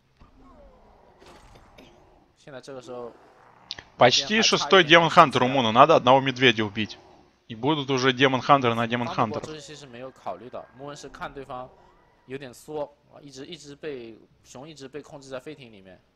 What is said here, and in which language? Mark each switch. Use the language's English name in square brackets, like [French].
[Chinese] 1000多块钱。我说西西。矿，对。哎。现在这个时候。 [Russian] Почти шестой демон хантер у Муна, надо одного медведя убить. И будут уже Демон Хантер на Демон Хантер. [Chinese] Мун是看对方有点缩，一直被熊一直被控制在飞艇里面。